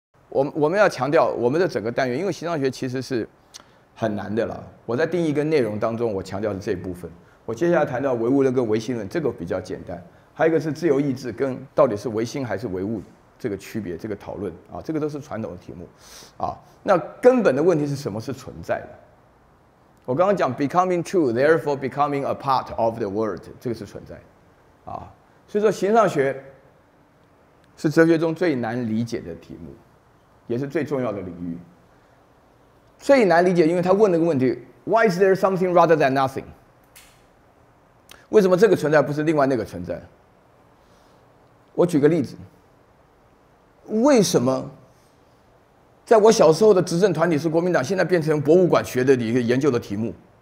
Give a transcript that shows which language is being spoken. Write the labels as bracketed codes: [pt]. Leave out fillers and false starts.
[zh] 我们要强调我们的整个单元，因为形上学其实是很难的了。我在定义跟内容当中，我强调的这一部分。我接下来谈到唯物论跟唯心论，这个比较简单。还有一个是自由意志跟到底是唯心还是唯物这个区别，这个讨论啊，这个都是传统的题目啊。那根本的问题是什么是存在的？我刚刚讲 [en] becoming true, therefore becoming a part of the world， [zh] 这个是存在的啊。所以说形上学是哲学中最难理解的题目。也是最重要的领域，最难理解，因为他问了个问题 ： [en] Why is there something rather than nothing？ [zh] 为什么这个存在不是另外那个存在？我举个例子，为什么在我小时候的执政团体是国民党，现在变成博物馆学的一个研究的题目？